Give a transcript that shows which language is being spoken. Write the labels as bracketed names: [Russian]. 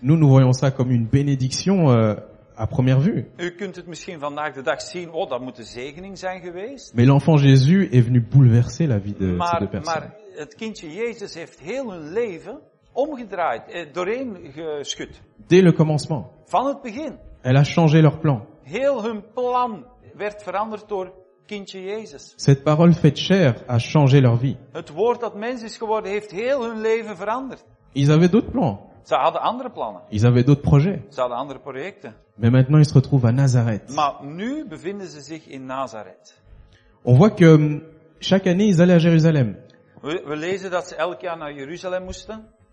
[French] Nous voyons ça comme une bénédiction à première vue. [Dutch] U kunt het misschien vandaag de dag zien, oh, dat moet een zegening zijn geweest. [French] Mais l'enfant Jésus est venu bouleverser la vie de ces deux personnes. [Dutch] Maar het kindje Jezus heeft heel hun leven omgedraaid, doorheen geschud. [French] Dès le commencement. [Dutch] Van het begin. [French] Elle a changé leur plan. [Dutch] Heel hun plan werd veranderd door kindje Jezus. [French] Cette parole faite chair a changé leur vie. [Dutch] Het woord dat mens is geworden heeft heel hun leven veranderd. [French] Ils avaient d'autres plans. [Dutch] Ze hadden andere plannen. [French] Ils avaient d'autres projets. [Dutch] Ze hadden andere projecten. [French] Mais maintenant ils se retrouvent à Nazareth. [Dutch] Maar nu bevinden ze zich in Nazareth. [French] On voit que chaque année ils allaient à Jérusalem. [Dutch] We lezen dat ze elk jaar naar Jeruzalem moesten.